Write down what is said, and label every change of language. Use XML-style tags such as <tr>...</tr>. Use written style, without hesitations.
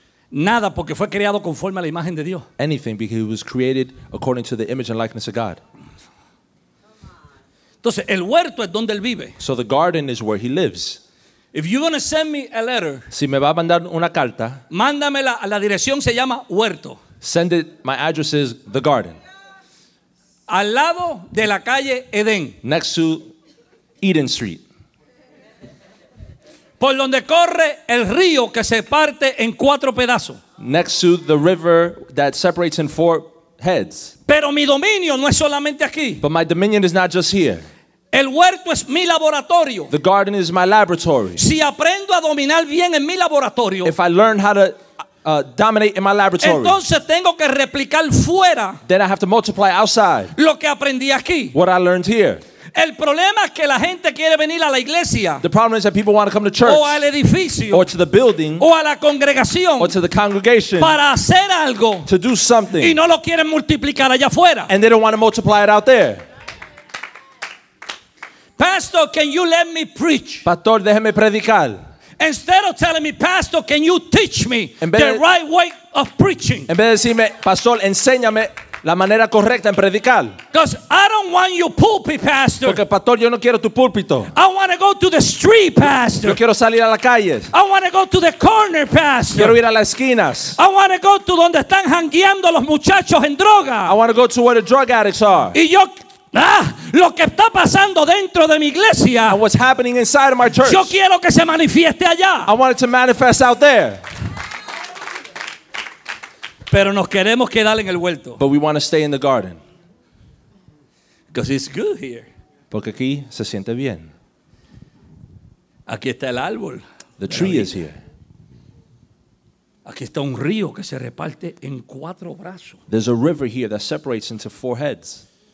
<es>nada porque fue creado conforme a la imagen de Dios.</es> <en>Anything because he was created according to the image and likeness of God.</en> <es>Entonces, el huerto es donde él vive.</es> <en>So the garden is where he lives. If you're going to send me a letter,</en> <es>si me va a mandar una carta, mándamela a la dirección, se llama Huerto.</es> <en>Send it, my address is The Garden.</en> <es>Al lado de la calle Edén.</es> <en>Next to Eden Street.</en> <es>Por donde corre el río que se parte en cuatro pedazos.</es> <en>Next to the river that separates in four heads.</en> <es>Pero mi dominio no es solamente aquí.</es> <en>But my dominion is not just here.</en> <es>El huerto es mi laboratorio.</es> <en>The garden is my laboratory.</en> <es>Si aprendo a dominar bien en mi laboratorio.</es> <en>If I learn how to dominate in my laboratory.</en> <es>Entonces tengo que replicar fuera.</es> <en>Then I have to multiply outside.</en> <es>Lo que aprendí aquí.</es> <en>What I learned here.</en> <es>El problema es que la gente quiere venir a la iglesia.</es> <en>The problem is that people want to come to church.</en> <es>O al edificio.</es> <en>Or to the building.</en> <es>O a la congregación.</es> <en>Or to the congregation.</en> <es>Para hacer algo.</es> <en>To do something.</en> <es>Y no lo quieren multiplicar allá afuera.</es> <en>And they don't want to multiply it out there. Pastor, can you let me preach?</en> <es>Pastor, déjeme predicar.</es> <en>Instead of telling me, Pastor, can you teach me the right way of preaching?</en> <es>En vez de decirme, Pastor, enséñame la manera correcta en predicar.</es> <en>Because I don't want your pulpit, Pastor.</en> <es>Porque, Pastor, yo no quiero tu púlpito.</es> <en>I want to go to the street, Pastor.</en> <es>Yo quiero salir a las calles.</es> <en>I want to go to the corner, Pastor.</en> <es>Quiero ir a las esquinas.</es> <en>I want to go to</en> <es>donde están jangueando los muchachos en droga.</es> <en>I want to go to where the drug addicts are.</en> <es>Y yo... Ah, lo que está pasando dentro de mi iglesia.</es> <en>And what's happening inside of my church.</en> <es>Yo quiero que se manifieste allá.</es> <en>I want it to manifest out there.</en> <es>Pero nos queremos quedar en el huerto.</es> <en>But we want to stay in the garden. Because it's good here.</en> <es>Porque aquí se siente bien. Aquí está el árbol.</es> <en>The tree is here.</en> <es>Aquí está un río que se reparte en cuatro brazos.</es> <en>There's a river here that separates into four heads.</en>